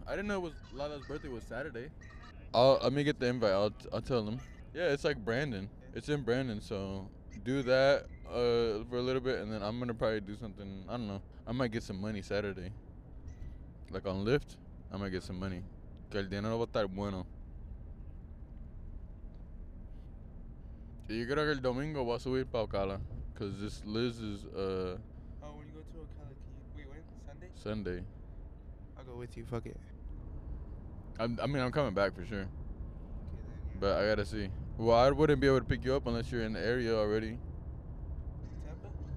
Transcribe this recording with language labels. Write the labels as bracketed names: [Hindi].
[English] I didn't know it was Lala's birthday was Saturday. Let me get the invite. I'll tell them. Yeah, it's like Brandon. It's in Brandon, so do that for a little bit, and then I'm going to probably do something. I don't know. I might get some money Saturday. Like on Lyft, I'm gonna get some money. [Spanish] Que el dinero va a estar bueno. Yo creo que el domingo va a subir para Ocala. [English] Cause this Liz is. Oh, when you go to Ocala, can you. Wait, when? Sunday? Sunday. I'll go with you, fuck it. I mean, I'm coming back for sure. Okay, then, yeah. But I gotta see. Well, I wouldn't be able to pick you up unless you're in the area already. Tampa?